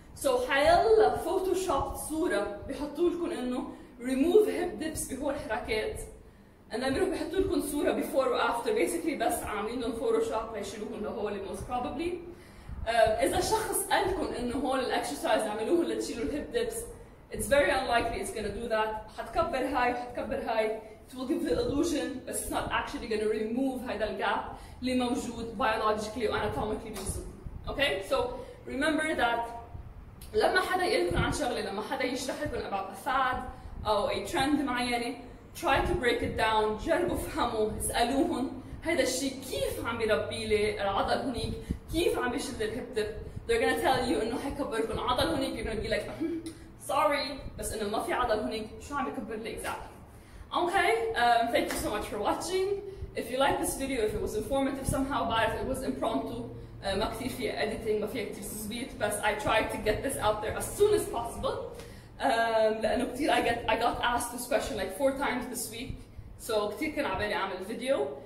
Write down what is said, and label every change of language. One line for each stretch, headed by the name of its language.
Arabic: So هيلا photoshop صورة بيحطولكم إنه remove hip dips بهول حركات أنا بروح بحط لكم صورة before و after basically بس عاملين لهم photoshop ليشيلوهم لهول most probably. إذا شخص قال لكم إنه هول الاكسرسايز عملوه لتشيلوا الهيب ديبس
English: it's very unlikely it's gonna do that.
Arabic: حتكبر هاي حتكبر هاي
English: it will give the illusion but it's not actually gonna remove
Arabic: هيدا الجاب اللي موجود biologically و anatomically بالجسم.
English: Okay so remember that
Arabic: لما حدا يقول لكم عن شغلة لما حدا يشرح لكم
English: about a fad أو a trend معينة try to break it down.
Arabic: جربوا فهموا اسألوهم هيدا الشيء كيف عم بيربي لي العضل هنيك كيف عم بيشد الهيب ديب.
English: They're gonna tell you
Arabic: انه حيكبركم عضل هنيك
English: you're gonna be like sorry
Arabic: بس انه ما في عضل هنيك شو عم يكبر لي exactly.
English: Okay thank you so much for watching. If you like this video if it was informative somehow but if it was impromptu
Arabic: ما كتير فيها editing ما فيها كتير تزبيط
English: بس I tried to get this out there as soon as possible. لأنه كتير I got asked this question like 4 times this week so
Arabic: كتير كان عبالي أعمل
English: video.